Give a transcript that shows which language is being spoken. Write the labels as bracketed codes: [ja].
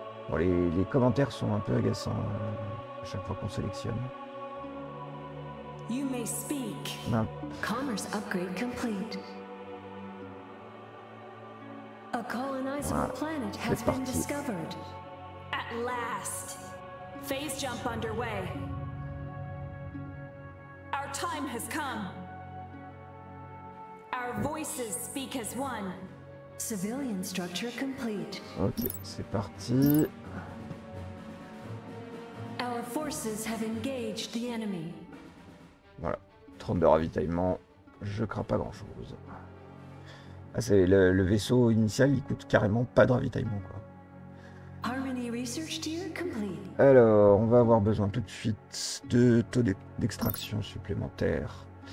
[fr] Bon, les commentaires sont un peu agaçants à chaque fois qu'on sélectionne. [en] You may speak. [fr] Non. [en] Commerce upgrade complete. A colonizable planet has been discovered. At last. Phase jump underway. Our time has come. Our voices speak as one. Civilian structure complete. [fr] Ok, c'est parti. [en] Our forces have engaged the enemy. [fr] Voilà, 30 de ravitaillement, je crains pas grand chose. Ah, c'est le vaisseau initial, il coûte carrément pas de ravitaillement, quoi. [en] Harmony research tier complete. [fr] Alors, on va avoir besoin tout de suite de taux d'extraction supplémentaire.